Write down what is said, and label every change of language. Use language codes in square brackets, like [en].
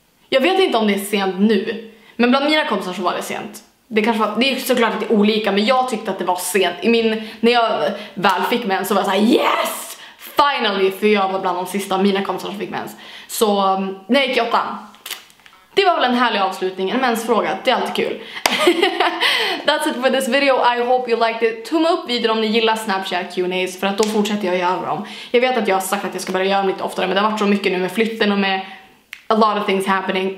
[sv] Jag vet inte om det är sent nu, men bland mina kompisar så var det sent. Det kanske var, det är såklart lite olika, men jag tyckte att det var sent. I min, när jag väl fick mens så var jag såhär, yes! Finally, för jag var bland de sista mina kompisar som fick mens. Så, när jag gick i 8:an. Det var väl en härlig avslutning, en mensfråga. Det är alltid kul. [en] That's it for this video, I hope you liked it. [sv] Tumma upp videon om ni gillar Snapchat Q&As, för att då fortsätter jag göra dem. Jag vet att jag har sagt att jag ska börja göra dem lite oftare, men det har varit så mycket nu med flytten och med [en] a lot of things happening.